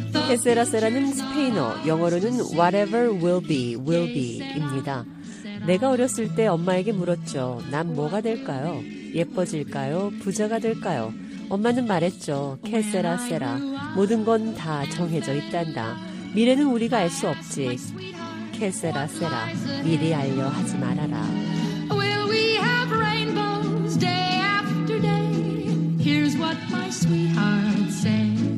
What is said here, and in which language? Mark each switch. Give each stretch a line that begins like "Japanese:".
Korean: 에세라세라는 스페인어, 영어로는
English: whatever will be, will be
Korean: 입니다. 내가 어렸을 때 엄마에게 물었죠. 난 뭐가 될까요? 예뻐질까요? 부자가 될까요? 엄마는 말했죠. 케세라세라. 모든 건 다 정해져 있단다. 미래는 우리가 알 수 없지. 케세라세라. 미리 알려 하지 말아라.
English: Will we have rainbows day after day? Here's what my sweetheart said.